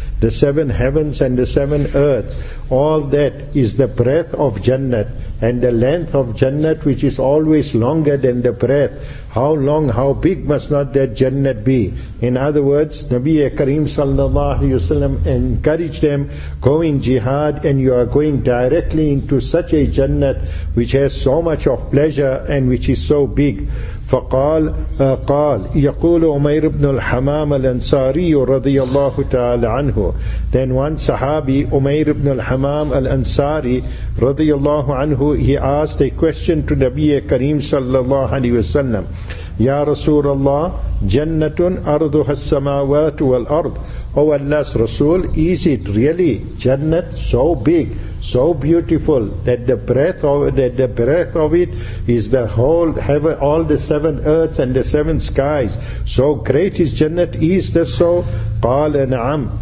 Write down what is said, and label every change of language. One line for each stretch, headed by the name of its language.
English: The seven heavens and the seven earths, all that is the breath of jannat, and the length of jannat, which is always longer than the breath. How long, how big must not that jannat be? In other words, Nabiya Kareem sallallahu alayhi wa sallam encouraged them, go in jihad and you are going directly into such a jannat which has so much of pleasure and which is so big.
Arabic: فقال قال يقول عمير بن الحمام الأنصاري رضي الله تعالى عنه.
English: Then one sahabi, عمير بن الحمام الأنصاري
Arabic: رضي الله عنه,
English: he asked a question to نبي كريم
Arabic: صلى الله عليه وسلم. يا رسول الله جنة أرضها السماوات والأرض.
English: Oh Allah's Rasul, is it really Jannat so big, so beautiful that the breath of it is the whole heaven, all the seven earths and the seven skies? So great is Jannat, is this so?
Arabic: قَالَ نَعَمْ.